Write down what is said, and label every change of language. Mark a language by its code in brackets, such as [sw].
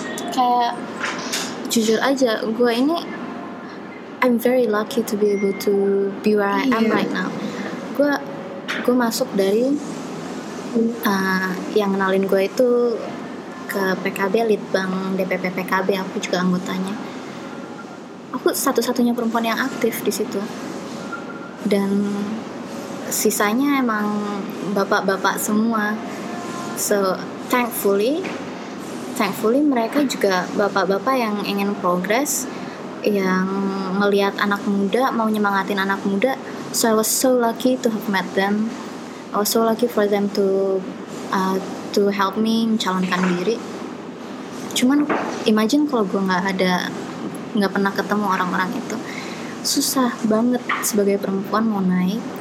[id] Kayak jujur aja, gue ini [en] I'm very lucky to be able to be where I am right now. [id] Gue masuk dari yang kenalin gue itu ke PKB, Litbang DPP PKB, aku juga anggotanya. Aku satu-satunya perempuan yang aktif di situ. Dan sisanya emang bapak-bapak semua. [en] So, thankfully [id] mereka juga bapak-bapak yang ingin progres, yang melihat anak muda, mau nyemangatin anak muda. [en] So I was so lucky to have met them. I was so lucky for them to help me [id] mencalonkan diri. Cuman imagine kalau gue nggak pernah ketemu orang-orang itu, susah banget sebagai perempuan mau naik.